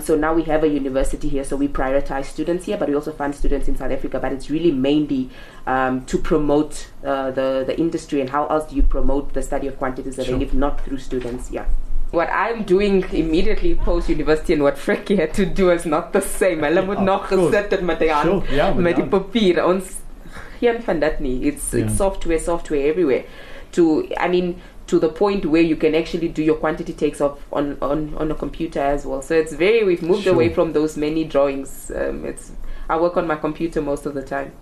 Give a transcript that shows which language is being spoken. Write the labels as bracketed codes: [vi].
[en] So now we have a university here, so we prioritize students here, but we also fund students in South Africa. But it's really mainly to promote the industry, and how else do you promote the study of quantity surveying if not through students? Yeah. What I'm doing immediately post-university and what Frikkie had to do is not the same. [af] Hulle moet nog gesit het met die hand, met die papier. Ons geen van dat nie. [en] It's software everywhere. To the point where you can actually do your quantity takes off on a computer as well. So it's very, we've moved away from those many drawings. I work on my computer most of the time.